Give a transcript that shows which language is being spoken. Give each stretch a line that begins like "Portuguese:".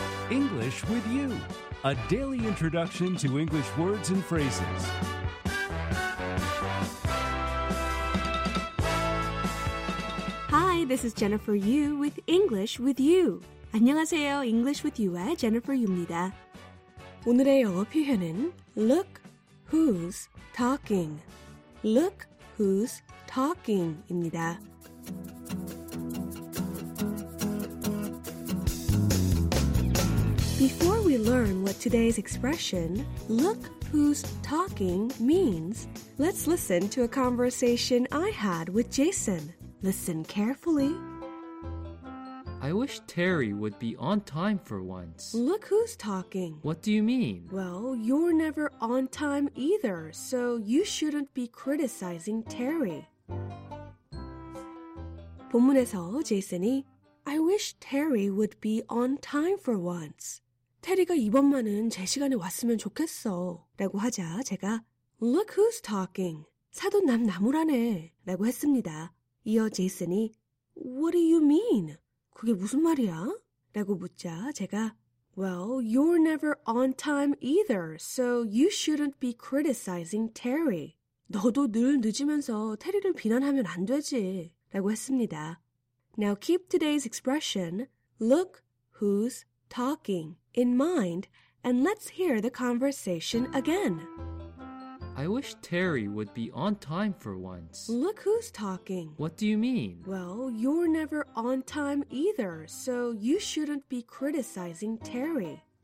English: English with you, a daily introduction to English words and phrases. Hi, this is Jennifer Yu with English with You.
Korean: 안녕하세요,
English: English with You의 Jennifer Yu입니다.
Korean: 오늘의 영어 표현은 look who's talking. Look who's talking입니다.
English: 'Before we learn what today's expression, look who's talking, means, let's listen to a conversation I had with Jason. Listen carefully. I wish Terry would be on time for once. Look who's talking. What do you mean? Well, you're never on time either, so you shouldn't be criticizing Terry.
Korean: 본문에서 제이슨이,
English: I wish Terry would be on time for once.
Korean: 테리가 이번만은 제 시간에 왔으면 좋겠어 라고 하자 제가
English: Look who's talking.
Korean: 사돈 남 나무라네 라고 했습니다. 이어 제이슨이
English: What do you mean?
Korean: 그게 무슨 말이야? 라고 묻자 제가
English: Well, you're never on time either, so you shouldn't be criticizing Terry.
Korean: 너도 늘 늦으면서 테리를 비난하면 안 되지 라고 했습니다.
English: Now keep today's expression Look who's talking in mind, and let's hear the conversation again. I wish Terry would be on time for once. Look who's talking. What do you mean? Well, you're never on time either, so you shouldn't be criticizing Terry.